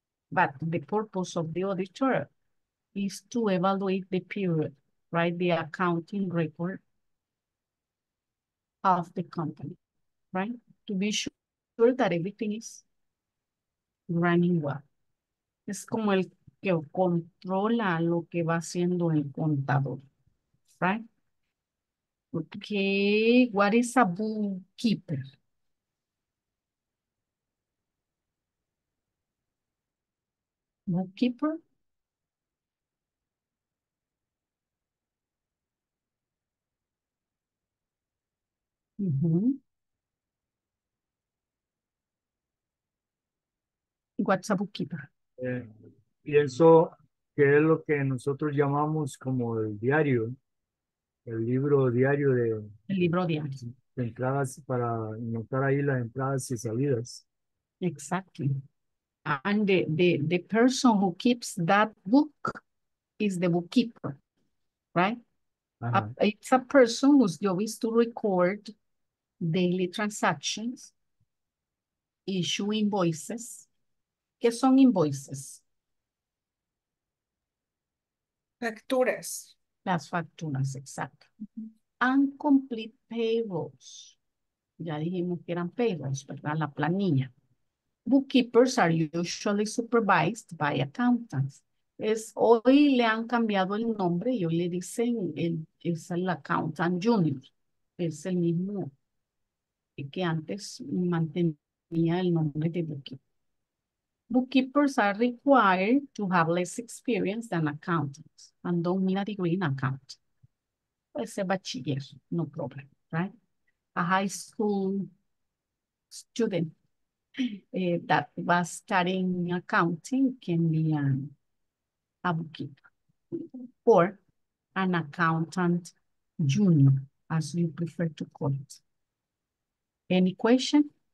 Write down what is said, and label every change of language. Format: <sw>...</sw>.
<en>But the purpose of the auditor is to evaluate the period, right? The accounting record of the company, right? To be sure that everything is running well.</en> <es>Es como el que controla lo que va haciendo el contador,</es> <en>right? Okay, what is a bookkeeper? Bookkeeper? What's a bookkeeper?</en> <es>Pienso que es lo que nosotros llamamos como el diario, el libro diario de el libro diario de entradas para notar ahí las entradas y salidas.</es> <en>Exactly. And the person who keeps that book is the bookkeeper, right? It's a person whose job is to record daily transactions, issue invoices.</en> <es>¿Qué son invoices? Facturas. Las facturas, exacto.</es> <en>And complete payrolls.</en> <es>Ya dijimos que eran payrolls, ¿verdad? La planilla.</es> <en>Bookkeepers are usually supervised by accountants.</en> <es>Es, hoy le han cambiado el nombre y hoy le dicen, es el accountant junior. Es el mismo que antes mantenía el nombre de bookkeeper.</es> <en>Bookkeepers are required to have less experience than accountants and don't need a degree in accounting.</en> <es>Puede ser bachiller,</es> <en>no problem, right? A high school student that was studying accounting can be a bookkeeper or an accountant junior, as you prefer to call it. Any question?</en>